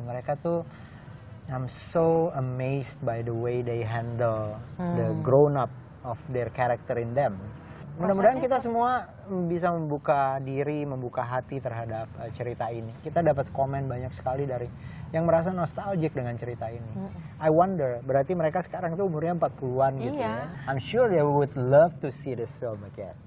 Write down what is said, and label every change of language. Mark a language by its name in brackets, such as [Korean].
[Indonesian] Mereka tuh, [English] I'm so amazed by the way they handle the grown up of their character in them. [Indonesian] Mudah-mudahan kita semua bisa membuka diri, membuka hati terhadap cerita ini. Kita dapat komen banyak sekali dari yang merasa nostalgic dengan cerita ini. [English] I wonder, [Indonesian] berarti mereka sekarang itu umurnya 40-an gitu ya. [English] I'm sure they would love to see this film again.